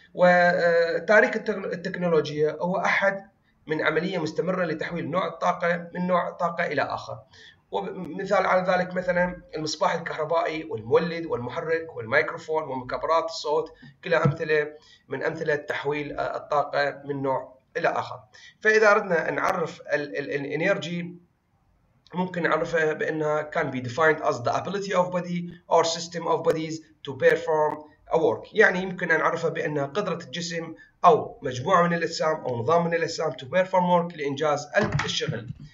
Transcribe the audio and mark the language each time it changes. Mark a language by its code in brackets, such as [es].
[ar] وتاريخ التكنولوجيا هو احد من عملية مستمرة لتحويل نوع الطاقة من نوع طاقة الى اخر. ومثال على ذلك مثلا المصباح الكهربائي والمولد والمحرك والميكروفون ومكبرات الصوت، كلها امثلة من امثلة تحويل الطاقة من نوع الى اخر. فاذا اردنا ان نعرف الانرجي ممكن نعرفها بانها [en] can be defined as the ability of body or system of bodies to perform a work. [ar] يعني يمكن نعرفها بانها قدرة الجسم او مجموعة من الاجسام او نظام من الاجسام [en] to perform work، [ar] لانجاز الشغل.